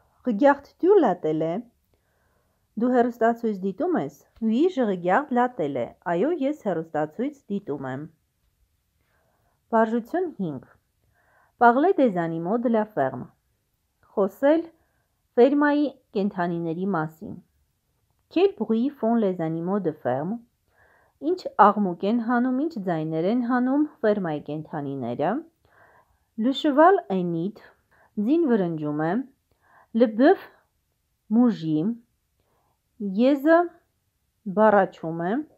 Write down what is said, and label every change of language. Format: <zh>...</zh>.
<fr>Regardes-tu la télé?</fr> <hy>Դու հեռուստացույց դիտում ես?</hy> <fr>Oui, je regarde la télé.</fr> <hy>Այո, ես հեռուստացույց դիտում եմ. Վարժություն 5.</hy> <fr>Parler des animaux de la ferme.</fr> <hy>Խոսել ֆերմայի կենդանիների մասին.</hy> <fr>Quel bruit font les animaux de ferme?</fr> <hy>Ինչ աղմուկ են հանում, ինչ ձայներ են հանում ֆերմայի կենդանիները?</hy> <fr>Le cheval ennit.</fr> <hy>Ձին վրնջում է,</hy> <fr>le bœuf mugit,</fr> <hy>եզը բառաչում է,</hy>